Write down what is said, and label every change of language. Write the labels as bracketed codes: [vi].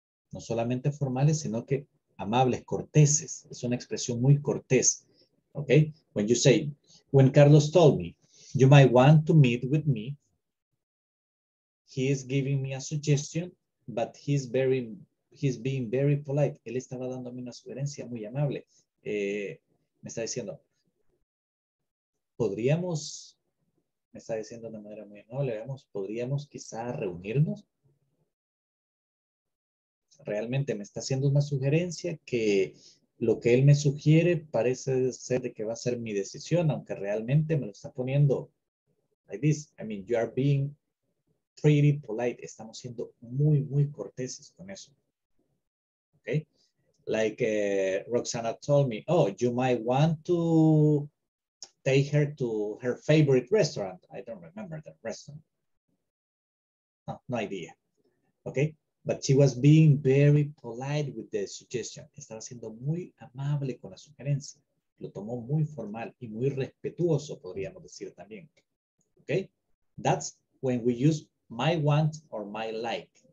[es] No solamente formales, sino que amables, corteses. Es una expresión muy cortés. Okay? [en] When you say, when Carlos told me, you might want to meet with me, he is giving me a suggestion, but he's being very polite. [es] Él estaba dándome una sugerencia muy amable. Me está diciendo, podríamos, me está diciendo de manera muy amable, digamos, podríamos quizá reunirnos. Realmente me está haciendo una sugerencia que lo que él me sugiere parece ser de que va a ser mi decisión, aunque realmente me lo está poniendo [en] like this. I mean, you are being pretty polite. [es] Estamos siendo muy, muy corteses con eso. [en] Okay? Like Roxana told me, oh, you might want to take her to her favorite restaurant. I don't remember that restaurant. Oh, no idea. Okay? But she was being very polite with the suggestion. [es] Estaba siendo muy amable con la sugerencia. Lo tomó muy formal y muy respetuoso, podríamos decir también. [en] Okay? That's when we use my want or my like.